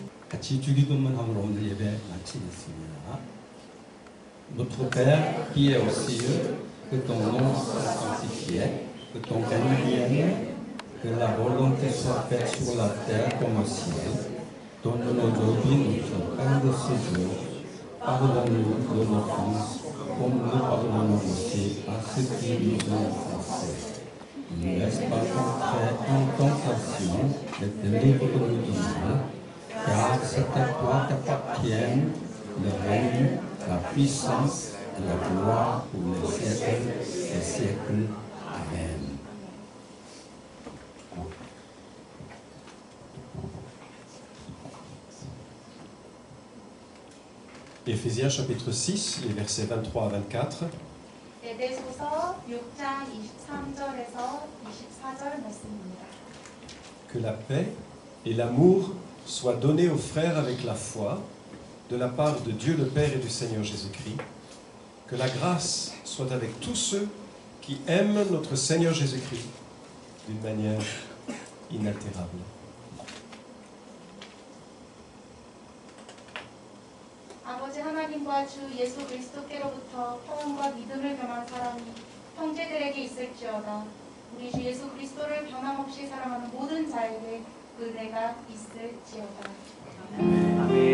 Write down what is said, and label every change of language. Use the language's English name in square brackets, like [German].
[Korean] 같이 주기도문함으로 오늘 예배 마치겠습니다. [French] Notre Père qui est aux cieux, que ton nom soit sanctifié, que ton règne vienne, que la volonté soit faite sur la terre comme au ciel. Donne-nous aujourd'hui notre pain de ce jour. Pardonne-nous de nos offenses, comme nous pardonnons aussi à ceux qui nous ont offensés. Ne laisse pas entrer en tentation, mais délivre-nous du mal, car c'est à toi qu'appartiennent le règne, la puissance et la gloire pour les siècles des siècles. Amen. Éphésiens chapitre 6, les versets 23 à 24. [Korean] 6장 23절에서 24절 말씀입니다. [French] Que la paix et l'amour soient donnés aux frères avec la foi de la part de Dieu le Père et du Seigneur Jésus-Christ. Que la grâce soit avec tous ceux qui aiment notre Seigneur Jésus-Christ d'une manière inaltérable. [Korean] 아버지 하나님과 주 예수 그리스도께로부터 평안과 믿음을 변한 사람이 형제들에게 있을지어다. 우리 주 예수 그리스도를 변함없이 사랑하는 모든 자에게 은혜가 있을지어다. 아멘.